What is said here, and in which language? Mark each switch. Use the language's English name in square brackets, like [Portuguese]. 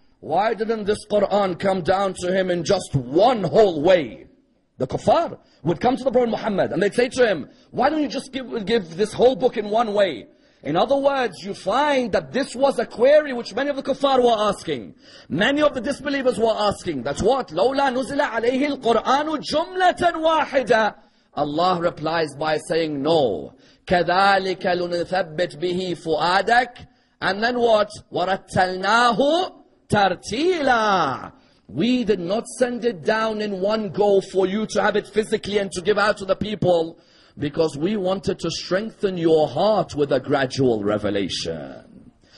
[English] Why didn't this Quran come down to him in just one whole way? The kuffar would come to the Prophet Muhammad and they'd say to him, why don't you just give this whole book in one way? In other words, you find that this was a query which many of the kuffar were asking. Many of the disbelievers were asking, that's what? [Arabic] لولا نزل عليه القرآن جملة واحدة. [English] Allah replies by saying, no. [Arabic] كَذَٰلِكَ لُنِثَبِّتْ بِهِ فُؤَادَكَ. [English] And then what? [Arabic] وَرَتَّلْنَاهُ تَرْتِيلًا. [English] We did not send it down in one go for you to have it physically and to give out to the people, because we wanted to strengthen your heart with a gradual revelation.